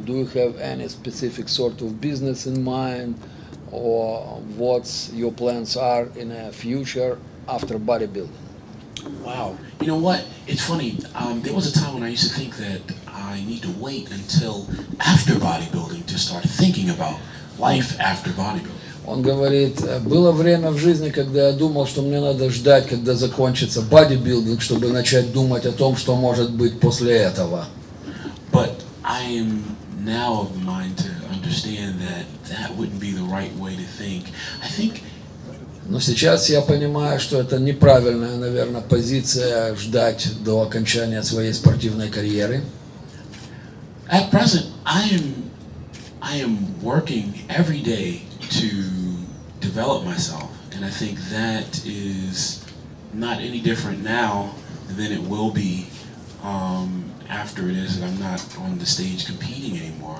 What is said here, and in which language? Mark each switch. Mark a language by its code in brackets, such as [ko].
[en] Do you have any specific sort of business in mind, or what your plans are in the future after bodybuilding? Wow. You know what? It's funny. There was a time when I used to think that I need to wait until after bodybuilding to start thinking about life after bodybuilding. [ru] Он говорит, было время в жизни, когда я думал, что мне надо ждать, когда закончится бодибилдинг, чтобы начать думать о том, что может быть после этого. [en] But I am now of the mind to understand that that wouldn't be the right way to think. I think. [ru] Но сейчас я понимаю, что это неправильная, наверное, позиция ждать до окончания своей спортивной карьеры. [en] At present, I am working every day to develop myself, and I think that is not any different now than it will be after it is that I'm not on the stage competing anymore.